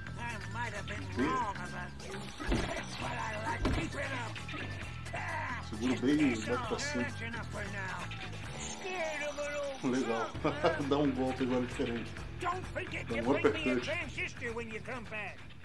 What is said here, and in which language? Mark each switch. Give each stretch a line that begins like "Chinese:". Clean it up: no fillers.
English: I might have been wrong about you, but I like keeping up.
Portuguese: Seguro bem e bate pra cima.
English: Scared of an old
Portuguese: Legal. Dá um golpe agora diferente.
English: Don't forget to bring me a transistor when you come back.